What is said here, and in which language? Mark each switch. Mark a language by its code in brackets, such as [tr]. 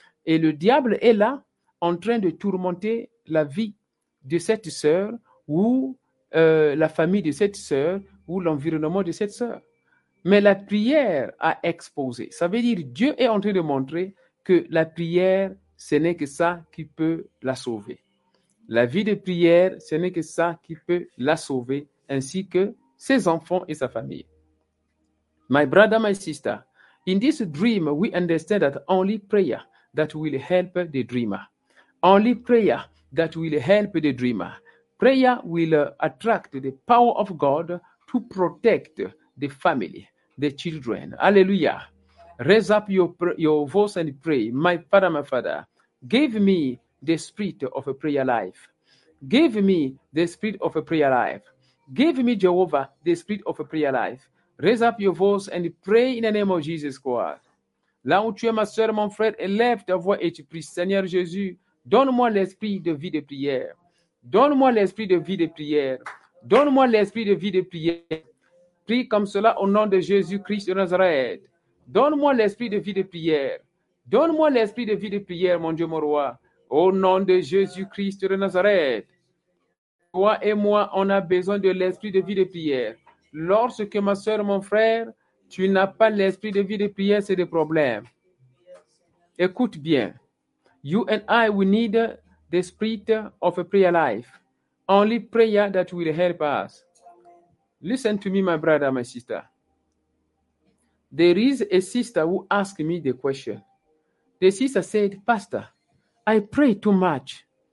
[fr] Et le diable est là, en train de tourmenter la vie de cette sœur ou la famille de cette sœur ou l'environnement de cette sœur. Mais la prière a exposé. Ça veut dire que Dieu est en train de montrer que la prière, ce n'est que ça qui peut la sauver. La vie de prière, ce n'est que ça qui peut la sauver, ainsi que ses enfants et sa famille. [en] My brother, my sister, in this dream, we understand that only prayer that will help the dreamer. Only prayer that will help the dreamer. Prayer will attract the power of God to protect the family, the children. Hallelujah. Raise up your voice and pray. My Father, give me the spirit of a prayer life. Give me the spirit of a prayer life. Give me, Jehovah, the spirit of a prayer life. Raise up your voice and pray in the name of Jesus Christ. [fr] Là où tu es, ma soeur, mon frère, élève ta voix et tu pries, Seigneur Jésus. Donne-moi l'esprit de vie de prière. Donne-moi l'esprit de vie de prière. Donne-moi l'esprit de vie de prière. Prie comme cela au nom de Jésus-Christ de Nazareth. Donne-moi l'esprit de vie de prière. Donne-moi l'esprit de vie de prière, mon Dieu, mon roi. Au nom de Jésus-Christ de Nazareth. Toi et moi, on a besoin de l'esprit de vie de prière. Lorsque, ma soeur, mon frère, tu n'as pas l'esprit de vie de prière, c'est des problèmes. Écoute bien. [en] You and I, we need the spirit of a prayer life. Only prayer that will help us. Listen to me, my brother, my sister. There is a sister who asked me the question. The sister said, Pastor, I pray too much.